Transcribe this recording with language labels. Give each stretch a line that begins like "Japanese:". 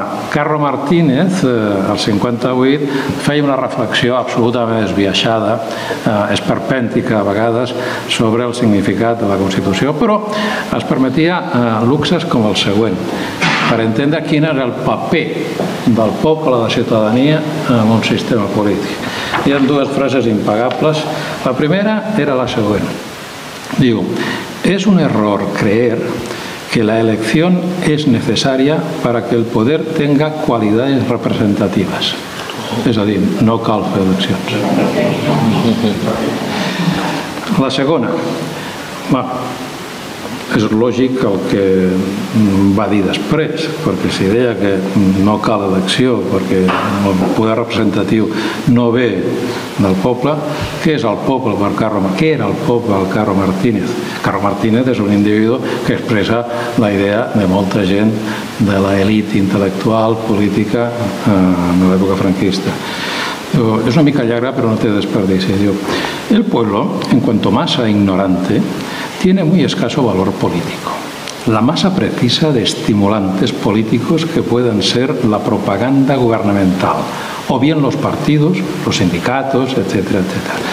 Catalan: Carro Martínez, el 58, feia una reflexió absolutament esbiaixada, esperpèntica a vegades, sobre el significat de la Constitució, però es permetia luxes com el següent, per entendre quin era el paper del poble, de la ciutadania, en un sistema polític. Hi ha dues frases impagables. La primera era la següent. Diu, és un error
Spanish: creer que la elección es necesaria para que el poder tenga cualidades representativas.
Catalan: És a dir, no cal fer eleccions. La segona. Va, és lògic el que va dir després, perquè si deia que no cal elecció, perquè el poder representatiu no ve del poble, què és el poble per Carro Martínez? Què era el poble per Carro Martínez? Carro Martínez és un individu que expressa la idea de molta gent de l'elit intel·lectual, política, de l'època franquista. És una mica llarga, però no té desperdici. Diu,
Spanish: el pueblo, en cuanto massa ignorante, tiene muy escaso valor político. La masa precisa de estimulantes políticos que puedan ser la propaganda gubernamental, o bien los partidos, los sindicatos, etcétera, etcétera.